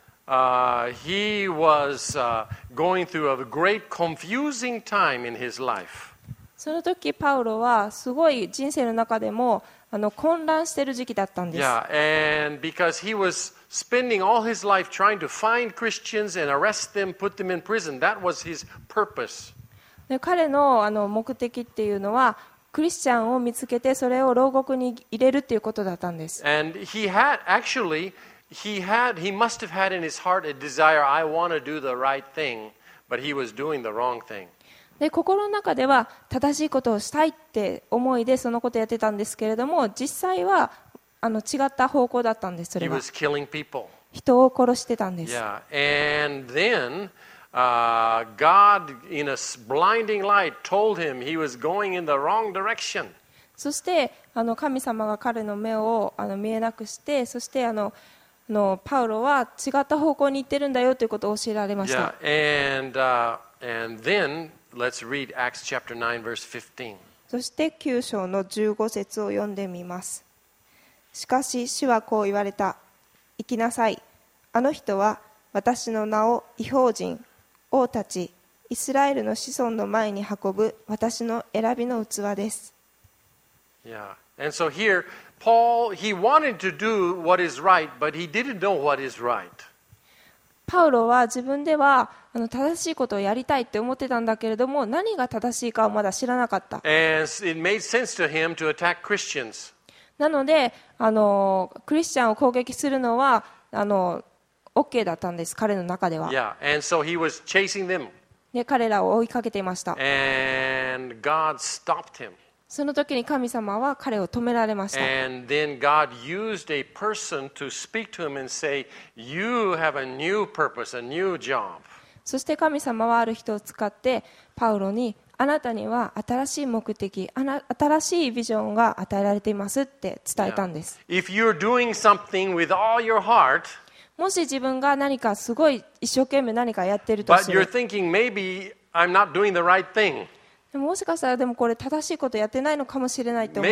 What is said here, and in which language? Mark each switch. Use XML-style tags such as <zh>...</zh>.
<en>He was going through a great confusing time in his life.</en> <ja>その時パウロはすごい人生の中でも混乱してる時期だったんです。</ja> <en>Yeah, and because he was spending all his life trying to find Christians and arrest them, put them in prison. That was his purpose.</en> <ja>で、彼の目的っていうのはクリスチャンを見つけてそれを牢獄に入れるっていうことだったんです。</ja> <en>And he had actually. He must have had in his heart a desire, I want to do the right thing, but he was doing the wrong thing.</en> <ja>で、心の中では正しいことをしたいって思いでそのことをやってたんですけれども、実際は違った方向だったんです、それは。</ja> <en>He was killing people.</en> <ja>人を殺してたんです。 Yeah.</ja> <en>And then, God, in a blinding light, told him he was going in the wrong direction.</en> <ja>そして、神様が彼の目を見えなくして、そして、のパウロは違った方向に行ってるんだよということを教えられました。</ja> <en>And then, let's read Acts chapter 9, verse 15.</en> <ja>そして9章の15節を読んでみます。しかし主はこう言われた。行きなさい。あの人は私の名を異邦人、王たち、イスラエルの子孫の前に運ぶ私の選びの器です。 Yeah.</ja> <en>And so here,Paul, he wanted to do what is right, but he didn't know what is right.</en> <ja>パウロは自分では正しいことをやりたいって思ってたんだけれども、何が正しいかをまだ知らなかった。</ja> <en>And it made sense to him to attack Christians.</en> <ja>なので、クリスチャンを攻撃するのは、OK だったんです、彼の中では。 Yeah.</ja> <en>And so he was chasing them.</en> <ja>で、彼らを追いかけていました。</ja> <en>And God stopped him.</en> <ja>その時に神様は彼を止められました。</ja> <en>And then God used a person to speak to him and say, "You have a new purpose, a new job."</en> <ja>そして神様はある人を使ってパウロに、あなたには新しい目的、新しいビジョンが与えられていますって伝えたんです。</ja> <en>If you're doing something with all your heart,</en> <ja>もし自分が何かすごい一生懸命何かやってるとする。</ja> <en>But you're thinking maybe I'm not doing the right thing.</en> <ja>もしかしたらでもこれ正しいことやってないのかもしれないと思う。</ja>